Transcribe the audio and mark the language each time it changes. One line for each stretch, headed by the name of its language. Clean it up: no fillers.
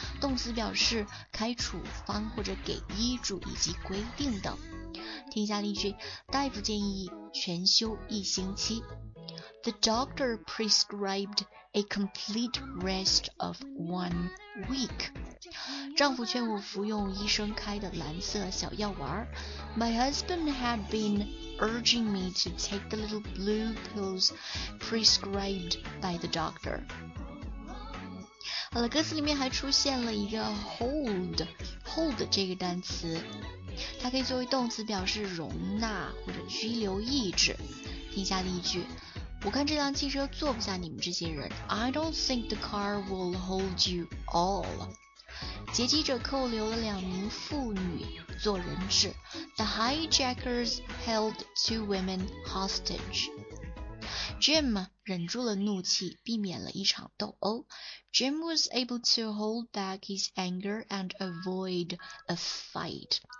Chinese: 动词表示开处方或者给医嘱以及规定等。听一下例句，大夫建议全休一星期。
English: The doctor prescribed a complete rest of 1 week.
Chinese: 丈夫劝我服用医生开的蓝色小药丸。
English: My husband had been urging me to take the little blue pills prescribed by the doctor.
Chinese: 好了，歌词里面还出现了一个 hold 这个单词，它可以作为动词表示容纳或者拘留意志。听下例句，我看这辆汽车坐不下你们这些人。
English: I don't think the car will hold you all.
Chinese: 劫机者扣留了两名妇女做人质。
English: The hijackers held 2 women hostage.
Chinese: Jim 忍住了怒气，避免了一场斗殴。
English: Jim was able to hold back his anger and avoid a fight.